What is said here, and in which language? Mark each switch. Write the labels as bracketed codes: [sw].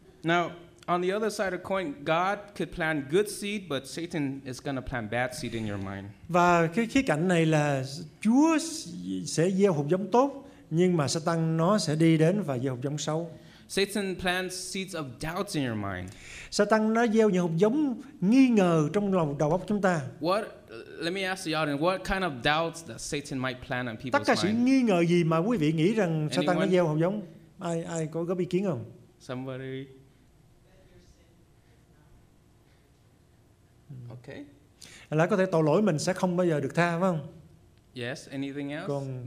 [en] Now, on the other side of the coin, God could plant good seed, but Satan is going to plant bad seed in your mind. [vi] Và cái khía cạnh này là Chúa sẽ gieo hạt giống tốt, nhưng mà Satan nó sẽ đi đến và gieo hạt giống xấu. [en] Satan plants seeds of doubts in your mind. [vi] Satan nó gieo những hạt giống nghi ngờ trong lòng đầu óc chúng ta. [en] What? Let me ask the audience, what kind of doubts that Satan might plant on people's mind? [vi] Tất cả sự nghi ngờ gì mà quý vị nghĩ rằng Satan nó gieo hạt giống? Ai có góp ý kiến không? [en] Somebody. Okay. [vi] Là có thể tội lỗi mình sẽ không bao giờ được tha, phải không? [en] Yes. Anything else? [vi] Còn,